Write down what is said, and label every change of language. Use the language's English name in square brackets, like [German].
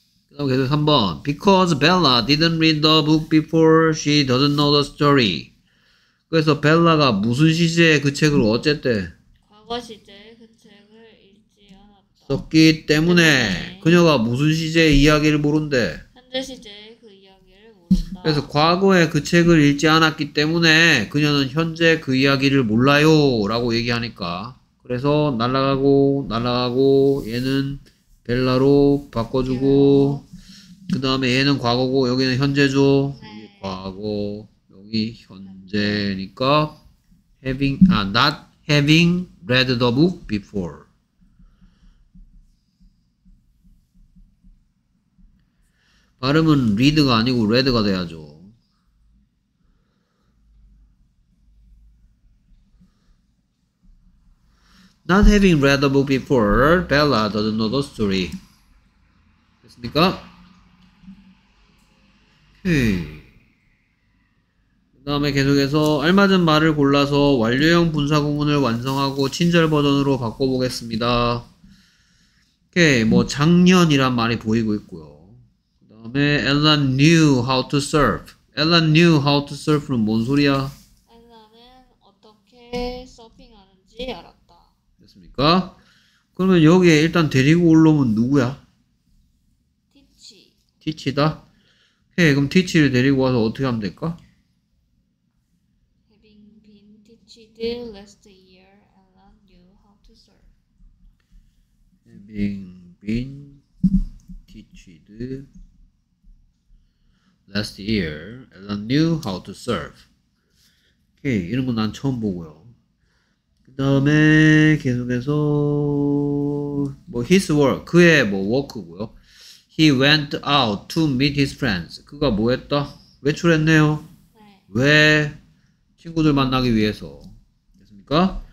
[Korean] 그다음 계속 3번 [English] Because Bella didn't read the book before she doesn't know the story. [Korean] 그래서 벨라가 무슨 시제에 그 책을 어쨌대? 과거 시제에 그 책을 읽지 않았다. 썼기 때문에 그녀가 무슨 시제의 이야기를 모른대? 현재 시제의 그 이야기를 모른다. 그래서 과거에 그 책을 읽지 않았기 때문에 그녀는 현재 그 이야기를 몰라요 라고 얘기하니까 그래서 날아가고 얘는 벨라로 바꿔주고 그 다음에 얘는 과거고 여기는 현재죠. 네. 여기 과거 여기 현재 되니까 [English] having not having read the book before. [Korean] 발음은 read가 아니고 read가 돼야죠. [English] 'Not having read the book before, Bella doesn't know the story.' [Korean] 됐습니까? 그 다음에 계속해서 알맞은 말을 골라서 완료형 분사 구문을 완성하고 친절 버전으로 바꿔보겠습니다. 오케이, 뭐 작년이란 말이 보이고 있고요. 그 다음에 [English] Ella knew how to surf. Ella knew how to surf [Korean] 는 뭔 소리야? Ella는 어떻게 서핑하는지 알았다. 됐습니까? 그러면 여기에 일단 데리고 올놈은 누구야? [English] 티치. [Korean] 티치다? 오케이, 그럼 티치를 데리고 와서 어떻게 하면 될까? [English] Having been teached last year, Ella knew how to surf. Having been teached last year, Ella knew how to surf. [Korean] 오케이, 이런 건 난 처음 보고요. 그 다음에 계속해서 뭐 [English] his work, [Korean] 그의 뭐 work고요. [English] He went out to meet his friends. [Korean] 그가 뭐 했다? 외출했네요. 네. 왜? 친구들 만나기 위해서. 됐습니까?